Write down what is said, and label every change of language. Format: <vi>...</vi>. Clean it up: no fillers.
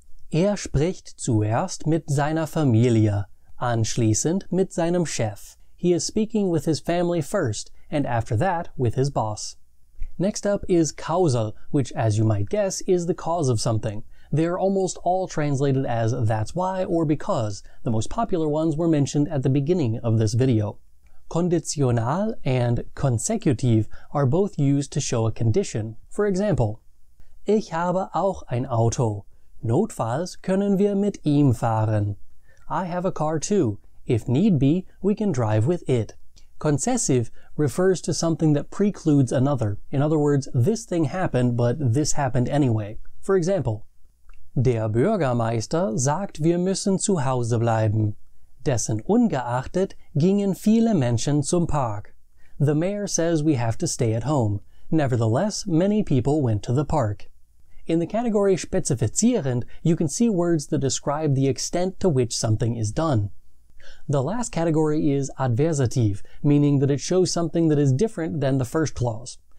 <de>Er spricht zuerst mit seiner Familie, anschließend mit seinem Chef.</de> <en>He is speaking with his family first, and after that, with his boss. Next up is kausal, which, as you might guess, is the cause of something. They are almost all translated as that's why or because. The most popular ones were mentioned at the beginning of this video. Conditional and konsekutiv are both used to show a condition. For example,</en> <de>ich habe auch ein Auto. Notfalls können wir mit ihm fahren.</de> <en>I have a car too. If need be, we can drive with it. Concessive refers to something that precludes another. In other words, this thing happened, but this happened anyway. For example,</en> <de>der Bürgermeister sagt, wir müssen zu Hause bleiben. Dessen ungeachtet gingen viele Menschen zum Park.</de> <en>The mayor says we have to stay at home. Nevertheless, many people went to the park. In the category spezifizierend, you can see words that describe the extent to which something is done. The last category is adversative, meaning that it shows something that is different than the first clause.</en>